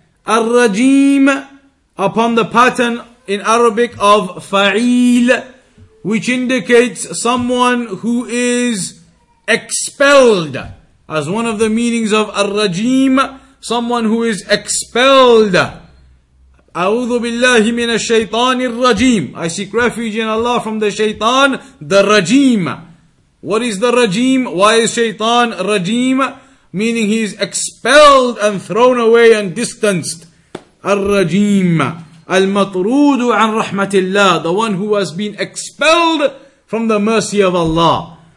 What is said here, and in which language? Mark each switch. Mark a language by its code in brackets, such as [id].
[en] الرجيم, upon the pattern in Arabic of فعيل, which indicates someone who is expelled. As one of the meanings of الرجيم, someone who is expelled. [ar] أعوذ بالله من الشيطان الرجيم. [en] I seek refuge in Allah from the shaitan, the رجيم. What is the رجيم? Why is shaitan رجيم? Meaning he is expelled and thrown away and distanced. Al-Rajim. [ar] Al-Matroodu an Rahmatillah. [en] The one who has been expelled from the mercy of Allah.